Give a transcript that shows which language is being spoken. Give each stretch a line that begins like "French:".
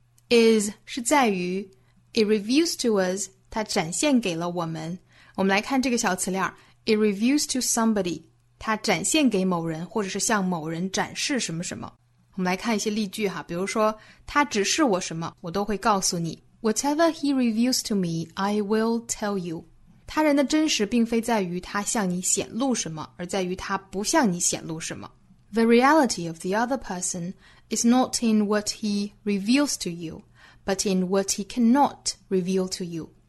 Chinese: Is 是在于 ,
English: it reveals to us,
Chinese: 它展现给了我们。我们来看这个小词链 ,
English: it reveals to somebody,
Chinese: 它展现给某人或者是向某人展示什么什么。我们来看一些例句哈，比如说他指示我什么我都会告诉你。
English: Whatever he reveals to me, I will tell you.
Chinese: 他人的真实并非在于他向你显露什么，而在于他不向你显露什么。
English: The reality of the other person is not in what he reveals to you, but in what he cannot reveal to you.